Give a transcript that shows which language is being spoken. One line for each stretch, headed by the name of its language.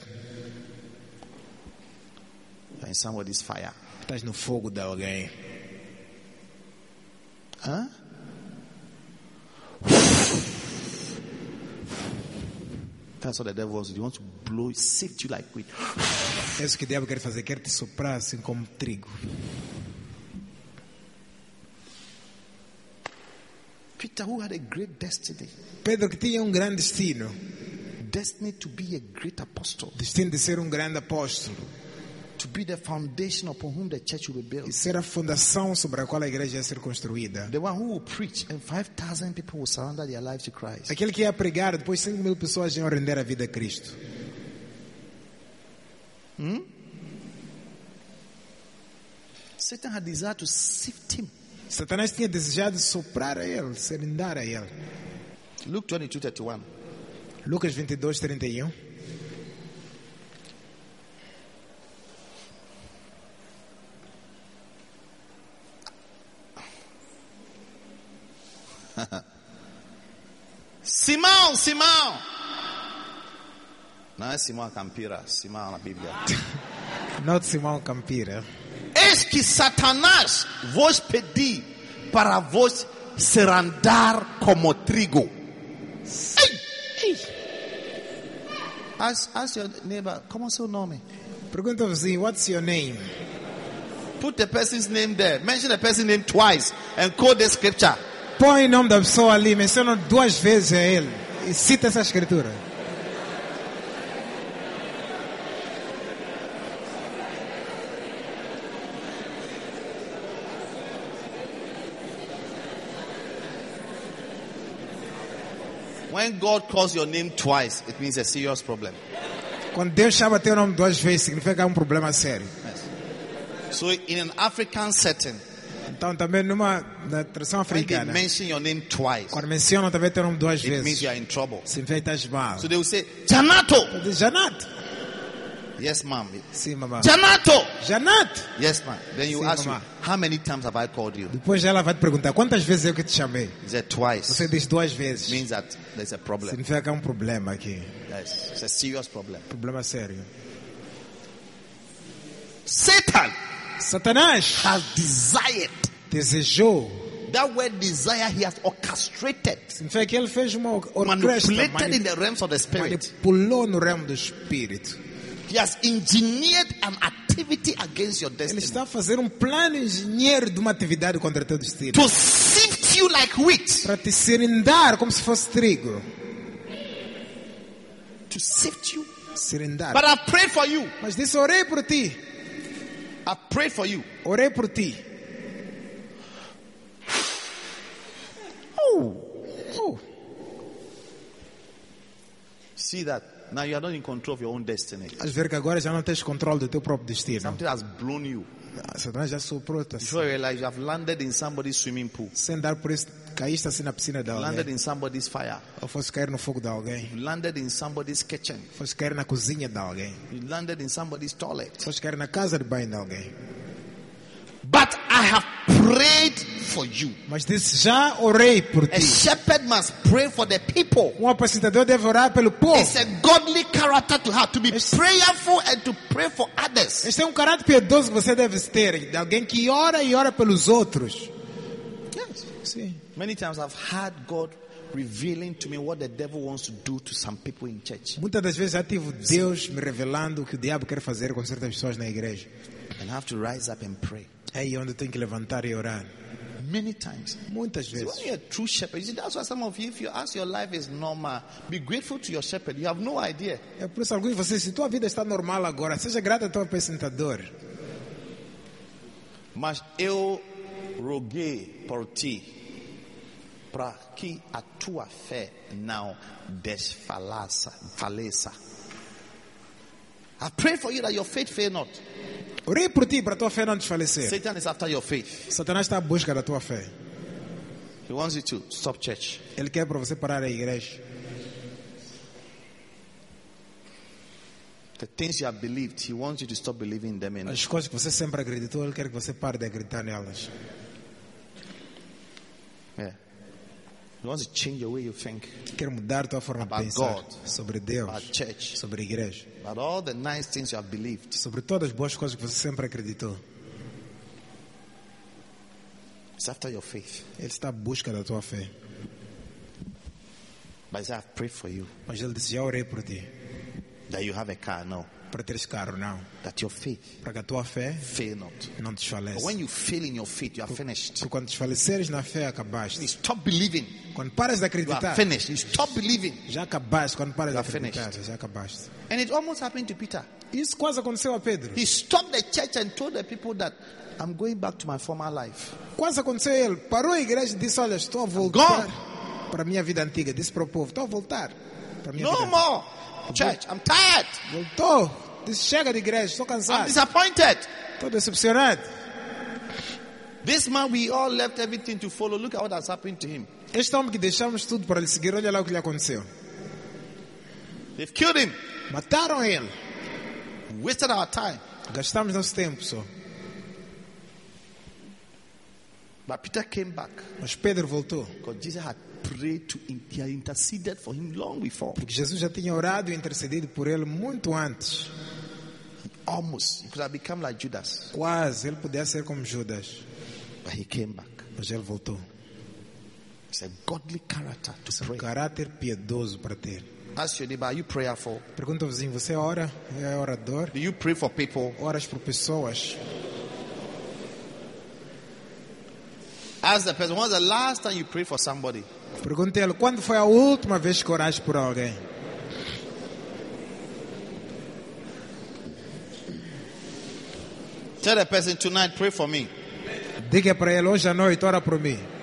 English: You are in somebody's fire.
Portuguese: Estás no fogo de alguém. Hã? Huh?
English: That's what the devil wants. He wants to blow, sift you like wheat.
Portuguese: É isso que o diabo quer fazer, quer te soprar assim como trigo.
English: Peter, who had a great destiny.
Portuguese: Pedro, que tinha grande destino.
English: Destiny to be a great apostle.
Portuguese: Destino de ser grande apóstolo.
English: To be the foundation upon whom the church will be built.
Portuguese: E ser a fundação sobre a qual a igreja ia ser construída.
English: The one who will preach and 5,000 people will surrender their lives to Christ.
Portuguese: Aquele que ia pregar, depois 5,000 pessoas iam render a vida a Cristo. Hmm?
English: Satan had desire to sift him.
Portuguese: Satanás tinha desejado soprar a ele, serendar a ele. Lucas 22:31. Simão, Simão. Não é Simão Campira, Simão na Bíblia.
English: Not Simão Campira.
Portuguese: Eis que Satanás vos pedi para vos serandar como trigo. Ei! Ei!
English: Ask your neighbor,
Portuguese: como é seu nome? Pergunta ao vizinho,
English: what's your name? Put the person's name there. Mention the person's name twice and quote the scripture.
Portuguese: Põe o nome da pessoa ali, menciona duas vezes a ele e cita essa escritura.
English: When God calls your name twice, it means a serious problem.
Portuguese: Quando Deus chama teu nome duas vezes, significa um problema sério.
English: Yes. So in an African setting,
Portuguese: então também numa tradição africana,
English: when they mention your name twice,
Portuguese: quando mencionam também teu nome duas vezes,
English: it means you are in trouble.
Portuguese: Significa que estás mal.
English: So they will say, Janato.
Portuguese: Janat.
English: Yes, ma'am.
Portuguese: Sim, mamã.
English: Janato.
Portuguese: Janat.
English: Yes, ma'am. Then you
Portuguese: sim,
English: ask me, how many times have I called you?
Portuguese: Depois ela vai te perguntar quantas vezes eu que te chamei.
English: Is it twice?
Portuguese: Você diz duas vezes.
English: Means that there's a problem.
Portuguese: Significa que há problema aqui.
English: Yes, it's a serious problem.
Portuguese: Problema sério.
English: Satan.
Portuguese: Satanás
English: has desired.
Portuguese: Desejou.
English: That word desire he has orchestrated.
Portuguese: Significa que ele fez uma
English: manipulated in the realms of the spirit.
Portuguese: Manipulou no reino do espírito.
English: He has engineered an activity against your destiny.
Portuguese: Ele está a fazer plano engenheiro de uma atividade contra teu destino.
English: To sift you like wheat.
Portuguese: Para te serindar como se fosse trigo.
English: To sift you.
Portuguese: Serindar.
English: But I pray for you.
Portuguese: Mas disse, orei por ti.
English: I pray for you.
Portuguese: Orei por ti. Oh.
English: See that? Now you are not in control of your own destiny.
Portuguese: As ver que agora já não tens controle do teu próprio destino.
English: Something has blown you.
Portuguese: Satanás já soprou.
English: Before you realize, you have landed in somebody's swimming pool.
Portuguese: Sem dar por isso, caíste assim na piscina de alguém.
English: Landed in somebody's fire.
Portuguese: Ou foste cair no fogo de alguém.
English: You landed in somebody's kitchen.
Portuguese: Foste cair na cozinha de alguém.
English: You landed in somebody's toilet.
Portuguese: Foste cair na casa de banho de alguém.
English: But I have prayed for you.
Portuguese: Mas disse, já orei por ti.
English: A shepherd must pray for the people.
Portuguese: Um apacentador deve orar pelo povo.
English: It's a godly character to have, to be prayerful and to pray for others.
Portuguese: Este é caráter piedoso que você deve ter, de alguém que ora e ora pelos outros.
English: Yes.
Portuguese: Sim.
English: Many times I've had God revealing to me what the devil wants to do to some people in church.
Portuguese: Muitas das vezes já tive Deus me revelando o que o diabo quer fazer com certas pessoas na igreja.
English: And I have to rise up and pray.
Portuguese: Hey, onde tem que levantar e orar?
English: Many times.
Portuguese: Muitas vezes.
English: See, when you're a true shepherd, you see, that's why some of you, if you ask your life is normal, be grateful to your shepherd. You have no idea.
Portuguese: É por isso alguns de vocês, se tua vida está normal agora, seja grato ao teu apresentador. Mas eu roguei por ti, para que a tua fé não desfaleça.
English: I pray for you that your faith fail not.
Portuguese: Orei por ti para tua fé não desfalecer.
English: Satan is after your faith.
Portuguese: Satanás está à busca da tua fé.
English: He wants you to stop church.
Portuguese: Ele quer para você parar a igreja.
English: The things you have believed, he wants you to stop believing them in.
Portuguese: As coisas que você sempre acreditou, ele quer que você pare de acreditar nelas.
English: Yeah. He wants to change the way you think.
Portuguese: Quer mudar tua forma
English: about
Portuguese: de pensar
English: God,
Portuguese: sobre Deus,
English: about church,
Portuguese: sobre a igreja.
English: About all the nice things you have believed.
Portuguese: Sobre todas as boas coisas que você sempre acreditou.
English: It's after your faith.
Portuguese: Ele está à busca da tua fé.
English: But I've prayed for you.
Portuguese: Mas ele disse, já orei por ti.
English: That you have a car now.
Portuguese: Para ter esse carro now.
English: That your faith.
Portuguese: Para que a tua fé.
English: Fail not.
Portuguese: Não desfalece.
English: But when you fail in your faith, you are finished.
Portuguese: Porque quando desfaleceres na fé, acabaste.
English: You stop believing.
Portuguese: Quando paras de acreditar.
English: You are finished. You stop believing.
Portuguese: Já acabaste. Quando paras de acreditar. Já acabaste.
English: And it almost happened to Peter.
Portuguese: Isso quase aconteceu a Pedro.
English: He stopped the church and told the people that I'm going back to my former life.
Portuguese: Quase aconteceu ele. Parou a igreja e disse, olha, estou a voltar para a minha vida antiga. Disse para o povo, estou a voltar para a minha
English: no
Portuguese: vida
English: more
Portuguese: antiga.
English: Church, I'm tired.
Portuguese: Voltou. Disse, chega de igreja, estou cansado.
English: I'm disappointed.
Portuguese: Estou decepcionado.
English: This man, we all left everything to follow. Look at what has happened to him.
Portuguese: Este homem que deixamos tudo para lhe seguir, olha lá o que lhe aconteceu.
English: They've killed him.
Portuguese: Mataram ele.
English: We wasted our time.
Portuguese: Gastamos nosso tempo, só.
English: But Peter came back.
Portuguese: Mas Pedro voltou.
English: Because Jesus had prayed to interceded for him long before.
Portuguese: Porque Jesus já tinha orado e intercedido por ele muito antes.
English: Almost, he could have become like Judas.
Portuguese: Quase, ele podia ser como Judas.
English: But he came back.
Portuguese: Mas ele voltou.
English: It's a godly character to pray.
Portuguese: Um caráter piedoso para ter.
English: Ask your neighbor, are you prayerful?
Portuguese: Pergunta ao vizinho, você ora? É orador?
English: Do you pray for people?
Portuguese: Oras por pessoas?
English: Ask the person, when was the last time you prayed for somebody?
Portuguese: Pergunte-lhe, quando foi a última vez que oraste por alguém?
English: Tell the person tonight, pray for me.
Portuguese: Diga para ele, hoje à noite, ora por mim.